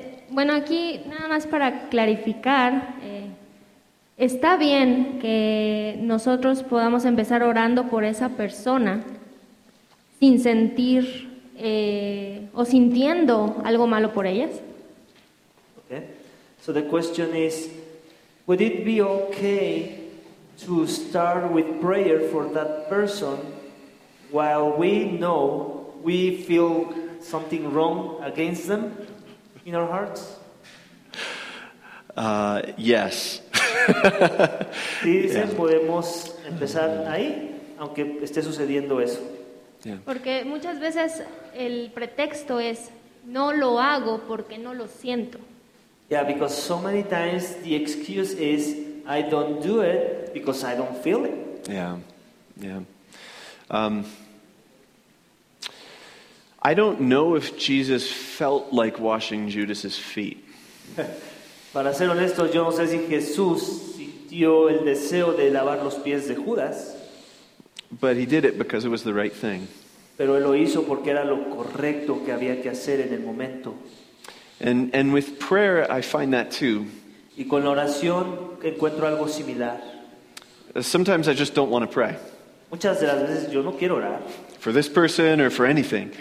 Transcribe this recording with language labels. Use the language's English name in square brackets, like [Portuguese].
[Spanish] Bueno, aquí nada más para clarificar, está bien que nosotros podamos empezar orando por esa persona sin sentir o sintiendo algo malo por ellas. [English] Okay. So the question is, would it be okay to start with prayer for that person while we know we feel something wrong against them in our hearts? Yes. [Spanish] Dicen, yeah. Podemos empezar ahí, aunque esté sucediendo eso. [English] Yeah. [Spanish] Porque muchas veces el pretexto es no lo hago porque no lo siento. [English] Yeah, because so many times the excuse is I don't do it because I don't feel it. Yeah, yeah. I don't know if Jesus felt like washing Judas's feet. [Spanish] Para ser honesto, yo no sé si Jesús sintió el deseo de lavar los pies de Judas. [English] But he did it because it was the right thing. [Spanish] Pero él lo hizo porque era lo correcto que había que hacer en el momento. [English] And with prayer, I find that too. [Spanish] Y con la oración encuentro algo similar. [English] Sometimes I just don't want to pray. [Spanish] Muchas de las veces yo no quiero orar. [English] For this person or for anything.